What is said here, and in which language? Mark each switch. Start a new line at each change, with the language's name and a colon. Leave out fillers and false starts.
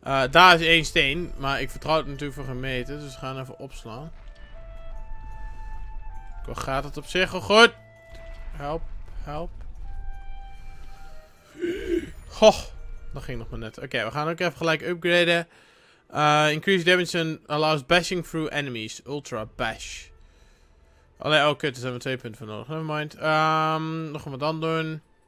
Dutch: Daar is één steen. Maar ik vertrouw het natuurlijk voor gemeten. Dus we gaan even opslaan. Hoe gaat het op zich al goed? Help. Help. Goh, dat ging nog maar net. Oké, we gaan ook even gelijk upgraden.
English: Increased damage and allows bashing through enemies. Ultra bash.
Dutch: Allee, oh kut, daar zijn we 2 punten voor nodig.
English: Never mind.
Dutch: Wat gaan we dan doen?